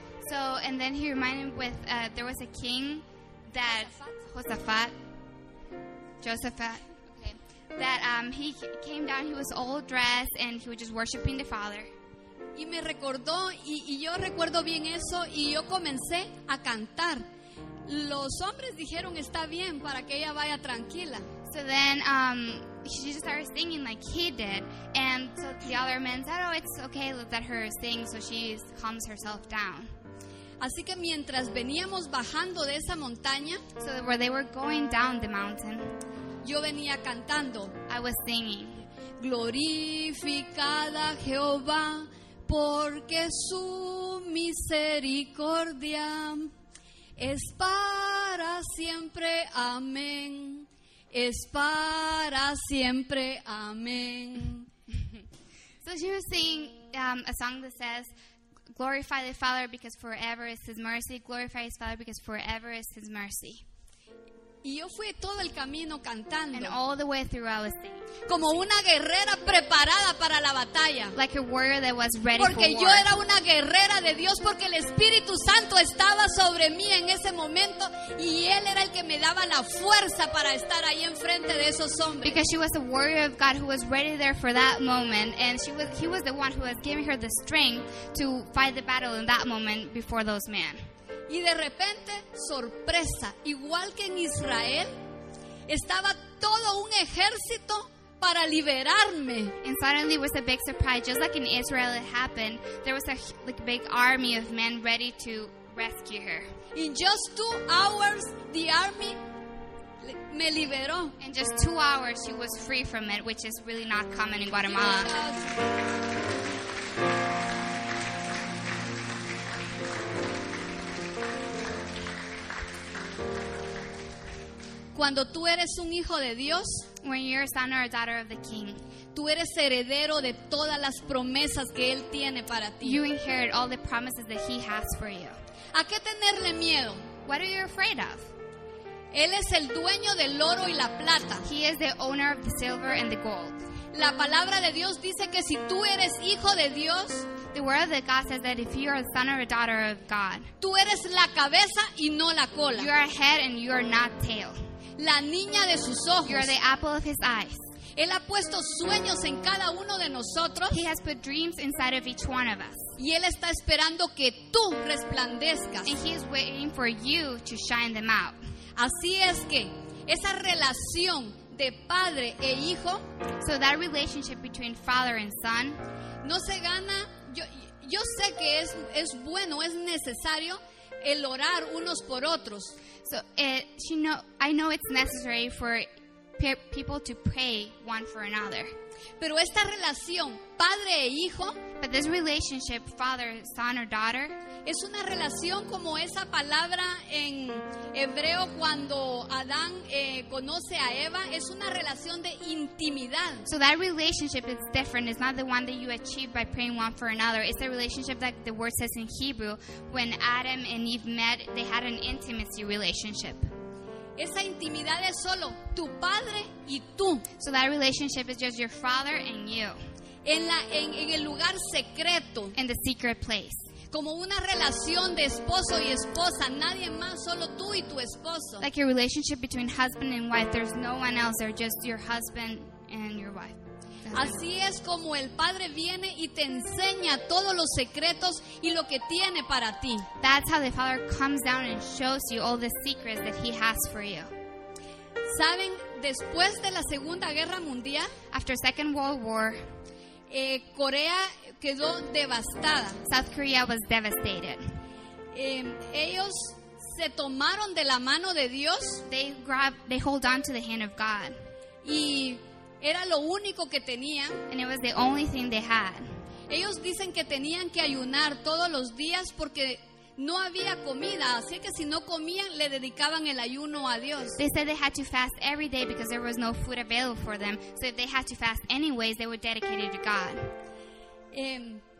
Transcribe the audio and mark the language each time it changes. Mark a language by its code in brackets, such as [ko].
[en] So, and then he reminded me with, there was a king that, Josafat. Josaphat. Okay. That he came down, he was all dressed, and he was just worshiping the Father. [es] Y me recordó, y yo recuerdo bien eso, y yo comencé a cantar. Los hombres dijeron, está bien, para que ella vaya tranquila. [en] So then she just started singing like he did. And so the other men said, oh, it's okay, let her sing, so she calms herself down. [es] Así que mientras veníamos bajando de esa montaña, [en] so where they were going down the mountain, [es] yo venía cantando. [en] I was singing. [es] Glorificada Jehová, porque su misericordia es para siempre, amén. Es para siempre, amén. [en] So she was singing a song that says, glorify the Father because forever is His mercy. Glorify His Father because forever is His mercy. [es] Y yo fui todo el camino cantando. [en] And all the way through I was singing. [es] Como una guerrera preparada para la batalla. [en] Like a warrior that was ready for war. [es] Porque yo era una guerrera de Dios porque el Espíritu Santo estaba sobre mí en ese momento y Él era el que me daba la fuerza para estar ahí enfrente de esos hombres. [en] Because she was a warrior of God who was ready there for that moment and he was the one who was giving her the strength to fight the battle in that moment before those men. [es] Y de repente, sorpresa, igual que en Israel, estaba todo un ejército para liberarme. [en] And suddenly was a big surprise, just like in Israel it happened, there was a like, big army of men ready to rescue her. In just 2 hours, the army [es] me liberó. [en] In just 2 hours, she was free from it, which is really not common in Guatemala. Yes. [es] Cuando tú eres un hijo de Dios, [en] when you're a son or a daughter of the King, [es] tú eres heredero de todas las promesas que Él tiene para ti. [en] You inherit all the promises that He has for you. [es] ¿A qué tenerle miedo? [en] What are you afraid of? [es] Él es el dueño del oro y la plata. [en] He is the owner of the silver and the gold. [es] La palabra de Dios dice que si tú eres hijo de Dios, [en] the word of the God says that if you are a son or a daughter of God, [es] tú eres la cabeza y no la cola. [en] You are head and you are not tail. [es] La niña de sus ojos. [en] You are the apple of His eyes. [es] Él ha puesto sueños en cada uno de nosotros. [en] He has put dreams inside of each one of us. [es] Y Él está esperando que tú resplandezcas. [en] And He is waiting for you to shine them out. [es] Así es que esa relación de padre e hijo, [en] so that relationship between father and son, [es] no se gana. Yo sé que es bueno, es necesario el orar unos por otros. [en] So I know it's necessary for people to pray one for another. [es] Pero esta relación padre e hijo, [en] but this relationship father son or daughter, [es] es una relación como esa palabra en hebreo cuando Adán conoce a Eva, es una relación de intimidad. [en] So that relationship is different. It's not the one that you achieve by praying one for another. It's the relationship that the word says in Hebrew when Adam and Eve met, they had an intimacy relationship. [es] Esa intimidad es solo tu padre y tú. [en] So that relationship is just your father and you. [es] En el lugar secreto. [en] In the secret place. [es] Como una relación de esposo y esposa, nadie más, solo tú y tu esposo. [en] Like a relationship between husband and wife, there's no one else, they're just your husband and your wife. [es] Así es como el Padre viene y te enseña todos los secretos y lo que tiene para ti. [en] That's how the Father comes down and shows you all the secrets that He has for you. [es] ¿Saben? Después de la Segunda Guerra Mundial, [en] after Second World War, [es] Corea quedó devastada. [en] South Korea was devastated. [es] Ellos se tomaron de la mano de Dios. [en] They hold on to the hand of God. [es] Y era lo único que tenían. [en] And it was the only thing they had. [es] Ellos dicen que tenían que ayunar todos los días porque no había comida. Así que si no comían, le dedicaban el ayuno a Dios. [en] They said they had to fast every day because there was no food available for them. So if they had to fast anyways, they were dedicated to God.